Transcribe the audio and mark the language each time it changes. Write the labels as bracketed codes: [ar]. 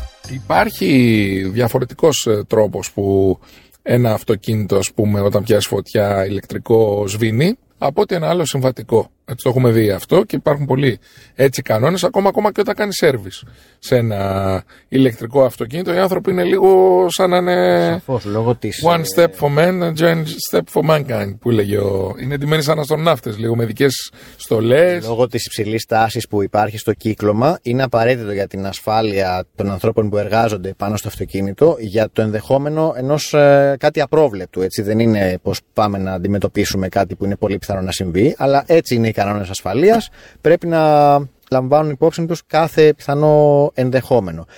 [el] Υπάρχει διαφορετικός τρόπος που ένα αυτοκίνητο, ας πούμε, όταν πιάσει φωτιά ηλεκτρικό σβήνει από ότι ένα άλλο συμβατικό. Έτσι το έχουμε δει αυτό και υπάρχουν πολλοί έτσι κανόνες, ακόμα και όταν κάνει σέρβις σε ένα ηλεκτρικό αυτοκίνητο. Οι άνθρωποι είναι λίγο σαν να είναι. Σαφώς, λόγω της. [en] One step for man, and one step for mankind, [el] που λέγει ο. Είναι εντυμένοι σαν αστροναύτες, λίγο με δικές στολές. Λόγω της υψηλής τάσης που υπάρχει στο κύκλωμα, είναι απαραίτητο για την ασφάλεια των ανθρώπων που εργάζονται πάνω στο αυτοκίνητο, για το ενδεχόμενο ενός κάτι απρόβλεπτου. Έτσι δεν είναι πως πάμε να αντιμετωπίσουμε κάτι που είναι πολύ πιθανό να συμβεί, αλλά έτσι είναι οι κανόνες ασφαλείας, πρέπει να λαμβάνουν υπόψη τους κάθε πιθανό ενδεχόμενο.